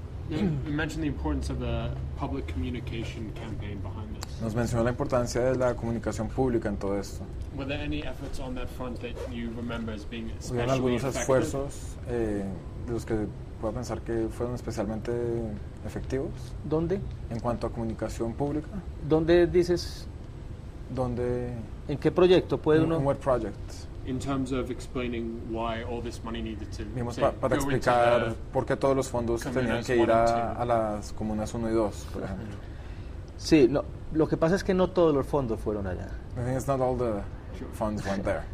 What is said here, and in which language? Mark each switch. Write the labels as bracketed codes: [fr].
[en] You mentioned the importance of the public communication campaign behind this. [es] Nos mencionó la importancia de la comunicación pública en todo esto. [en] Were there any efforts on that front that you remember as being especially effective? [es] esfuerzos de los que pueda pensar que fueron especialmente efectivos. ¿Dónde? En cuanto a comunicación pública. ¿Dónde dices? ¿Dónde? ¿En qué proyecto puede uno? [en] What project? In terms of explaining why all this money needed to [es] go para explicar por qué todos los fondos tenían que ir a las comunas 1 y 2, por ejemplo. Sí, no, lo que pasa es que no todos los fondos fueron allá. [en] I think it's not all the funds went there.